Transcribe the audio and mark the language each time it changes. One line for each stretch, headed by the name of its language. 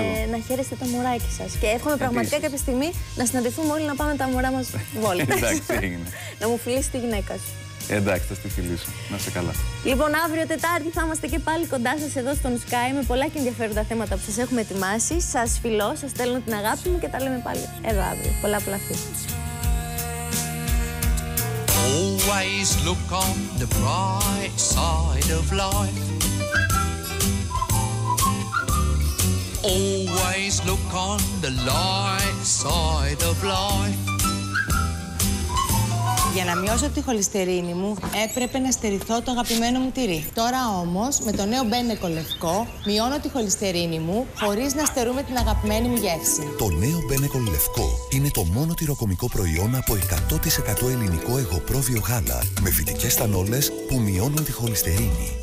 Greek: να χαίρεστε τα μωράκια σας. Και εύχομαι επίσης πραγματικά κάποια στιγμή να συναντηθούμε όλοι να πάμε τα μωρά μας βόλτα. Εντάξει, έγινε. Να μου φιλήσει τη γυναίκα σου. Εντάξει, θα στη φιλήσω. Να είσαι καλά. Λοιπόν, αύριο Τετάρτη θα είμαστε και πάλι κοντά σας εδώ στον Sky με πολλά και ενδιαφέροντα θέματα που σας έχουμε ετοιμάσει. Σας φιλώ, σας στέλνω την αγάπη μου και τα λέμε πάλι εδώ αύριο. Πολλά πολλά φιλιά.
English: Always look on the bright side of life. Always look on the light side of life.
Greek: Για να μειώσω τη χοληστερίνη μου, έπρεπε να στερηθώ το αγαπημένο μου τυρί. Τώρα όμως, με το νέο Μπένεκο Λευκό, μειώνω τη χοληστερίνη μου χωρίς να στερούμε την αγαπημένη μου γεύση. Το νέο Μπένεκο Λευκό είναι το μόνο τυροκομικό προϊόν από 100% ελληνικό εγωπρόβειο γάλα με φυτικές στανόλες που μειώνουν τη χοληστερίνη.